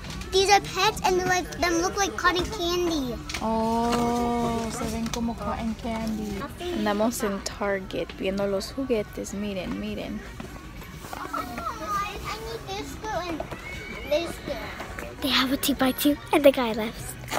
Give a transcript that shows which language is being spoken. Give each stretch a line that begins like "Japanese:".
English: These are pets and they're like, them look like cotton candy.
Spanish: Oh, se ven como cotton candy. Andamos en Target viendo los juguetes. Miren, miren.
English: Oh, I need this girl and this girl. They have a 2x2 and the guy left.